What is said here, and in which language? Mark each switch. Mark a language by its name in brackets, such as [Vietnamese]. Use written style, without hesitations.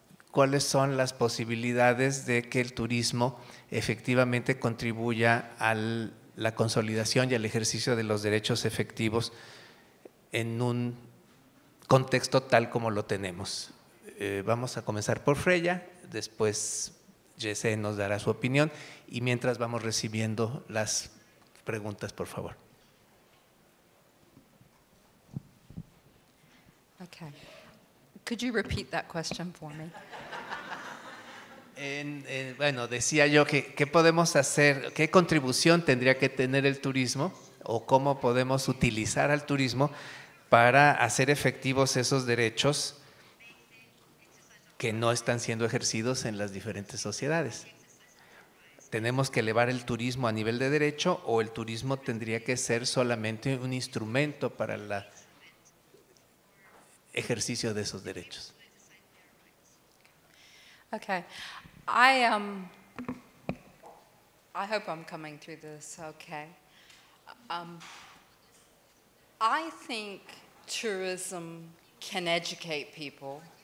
[Spanish] ¿Cuáles son las posibilidades de que el turismo efectivamente contribuya a la consolidación y al ejercicio de los derechos efectivos en un contexto tal como lo tenemos? Vamos a comenzar por Freya, después Jesse nos dará su opinión y mientras vamos recibiendo las preguntas, por favor. [English] Okay. Could you repeat that question for me? [Spanish] Bueno, decía yo que qué podemos hacer, qué contribución tendría que tener el turismo o cómo podemos utilizar al turismo para hacer efectivos esos derechos que no están siendo ejercidos en las diferentes sociedades. ¿Tenemos que elevar el turismo a nivel de derecho o el turismo tendría que ser solamente un instrumento para el ejercicio de esos derechos? [English] Okay. I hope I'm coming through this okay. I think tourism can educate people.